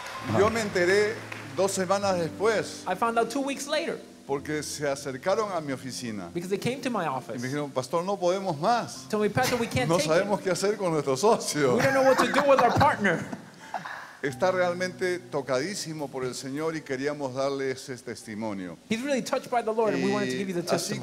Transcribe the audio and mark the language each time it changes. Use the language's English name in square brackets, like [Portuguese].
[Spanish] ¿No? Yo me enteré, dos semanas después. [English] I found out 2 weeks later. [Spanish] Porque se acercaron a mi oficina. [English] Because they came to my office. [Spanish] Y me dijeron, pastor, no podemos más. [English] Told me, pastor, we can't [Spanish] no sabemos qué hacer con nuestro socio. [English] We don't know what to do with our partner. [Spanish] Está realmente tocadísimo por el Señor y queríamos darle ese testimonio. [English] He's really touched by the Lord, and we wanted to give you the testimony.